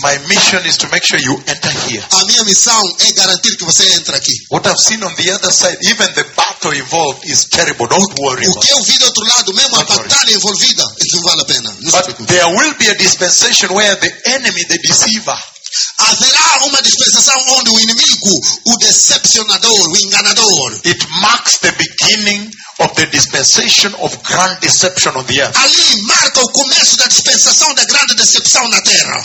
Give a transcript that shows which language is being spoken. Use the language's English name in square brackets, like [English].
[English] My mission is to make sure you enter here. [Portuguese] A minha missão é garantir que você entre aqui. [English] What I've seen on the other side, even the battle involved, is terrible. Don't worry. [Portuguese] O que eu vi do outro lado, mesmo a batalha envolvida, isso não vale a pena. Não [English] but [Portuguese] se preocupe. [English] There will be a dispensation where the enemy, the deceiver, [Portuguese] haverá uma dispensação onde o inimigo, o decepcionador, o enganador, [English] it marks the beginning of the dispensation of grand deception on the earth. [Portuguese] Ali marca o começo da dispensação da grande decepção na terra.